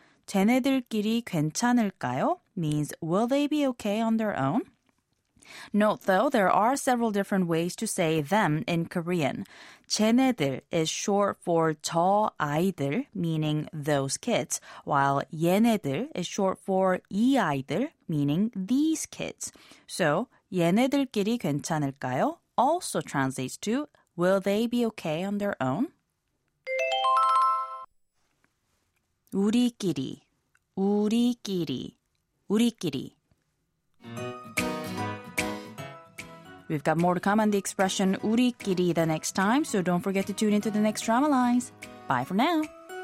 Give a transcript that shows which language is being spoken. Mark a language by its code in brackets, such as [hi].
[ko] 쟤네들끼리 괜찮을까요? [en] Means will they be okay on their own? Note though, there are several different ways to say them in Korean. 쟤네들 is short for 저 아이들, meaning those kids, while 얘네들 is short for 이 아이들, meaning these kids. [ko] So 얘네들끼리 괜찮을까요? [en] Also translates to, will they be okay on their own? [ko] 우리끼리, 우리끼리, 우리끼리. [en] We've got more to come on the expression 우리끼리 the next time, so don't forget to tune into the next Drama Lines. Bye for now!